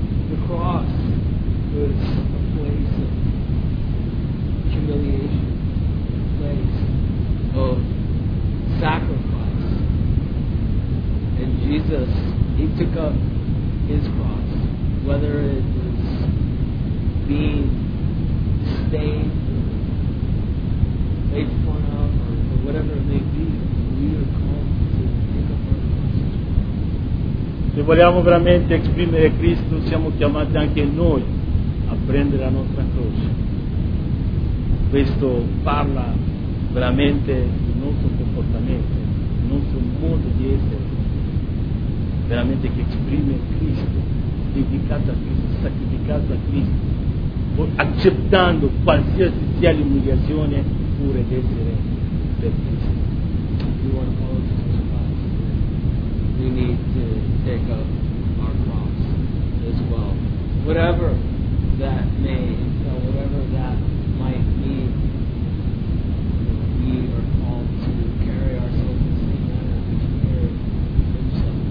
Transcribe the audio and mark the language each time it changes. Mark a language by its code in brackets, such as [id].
[en] The cross was a place of humiliation, a place of sacrifice, and Jesus, he took up his cross, whether it was being stained or made fun of or whatever it may be, we are called to take up our cross as well. [it] Se vogliamo veramente esprimere Cristo, siamo chiamati anche noi a prendere la nostra croce. Questo parla veramente del nostro comportamento, del nostro modo di essere. Veramente che esprime Cristo, dedicato a Cristo, sacrificato a Cristo, accettando qualsiasi sia l'umiliazione pure di essere per Cristo. [en] We want to follow Jesus Christ. We need to take up our cross as well. Whatever that may entail, whatever that might mean, we are called to carry ourselves in the same manner as Jesus carried himself.